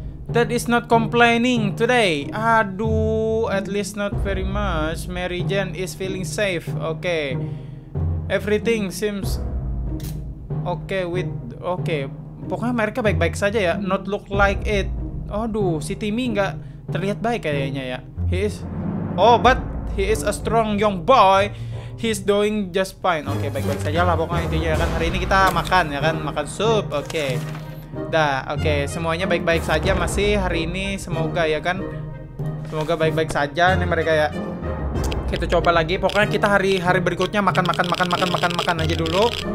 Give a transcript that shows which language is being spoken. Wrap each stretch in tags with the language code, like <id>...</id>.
<en>That is not complaining today. Aduh, at least not very much. Mary Jane is feeling safe. Oke. Okay. Everything seems okay with okay.</en> <id>Pokoknya mereka baik-baik saja ya.</id> <en>Not look like it.</en> <id>Aduh, si Timmy enggak terlihat baik kayaknya ya.</id> <en>He is oh, but he is a strong young boy. He's doing just fine.</en> <id>Oke, okay, baik-baik saja lah pokoknya intinya ya kan. Hari ini kita makan ya kan, makan sup. Oke. Okay. Dah, oke, okay. Semuanya baik-baik saja masih hari ini semoga ya kan. Semoga baik-baik saja nih mereka ya. Kita coba lagi. Pokoknya kita hari-hari berikutnya makan aja dulu.</id>